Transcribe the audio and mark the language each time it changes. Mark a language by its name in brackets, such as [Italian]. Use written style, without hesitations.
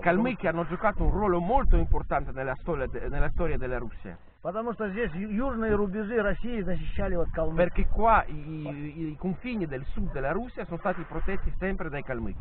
[Italian] Калмыки hanno giocato un ruolo molto importante nella storia della Russia. [Russian] Потому что здесь южные рубежи России защищали вот калмыки. [Italian] Perché qua i confini del sud della Russia sono stati protetti sempre dai калмыки.